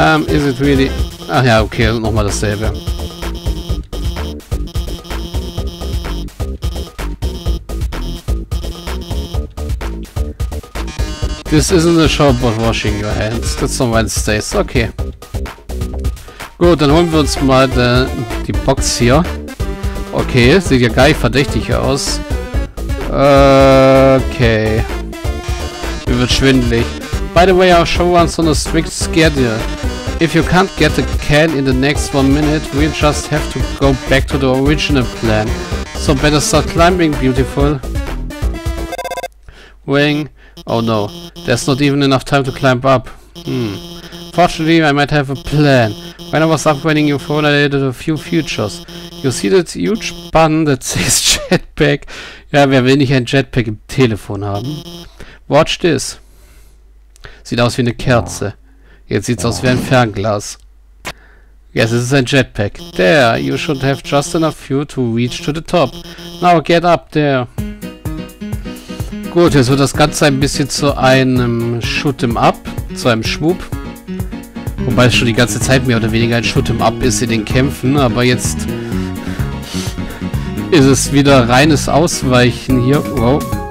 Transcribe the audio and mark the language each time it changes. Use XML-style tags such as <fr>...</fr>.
<en>Is it really...</en> <de>Ach ja, okay, nochmal dasselbe.</de> <en>This isn't a show about washing your hands. That's on Wednesdays. Okay.</en> <de>Gut, dann holen wir uns mal die Box hier. Okay, sieht ja gar nicht verdächtig aus. Okay. Mir wird schwindelig.</de> <en>By the way, our show runs on a strict schedule. If you can't get the can in the next 1 minute, we'll just have to go back to the original plan. So better start climbing, beautiful. Wing. Oh no, there's not even enough time to climb up. Fortunately, I might have a plan. When I was upgrading your phone, I added a few features. You see that huge button that says jetpack?</en> <de>Ja, wer will nicht ein Jetpack im Telefon haben?</de> <en>Watch this.</en> <de>Sieht aus wie eine Kerze. Jetzt sieht's aus wie ein Fernglas.</de> <en>Yes, this is a jetpack. There, you should have just enough fuel to reach to the top. Now get up there.</en> <de>Gut, jetzt wird das Ganze ein bisschen zu einem Shoot'em-up, zu einem Schwup. Wobei es schon die ganze Zeit mehr oder weniger ein Shoot'em-up ist in den Kämpfen, aber jetzt ist es wieder reines Ausweichen hier. Wow.</de>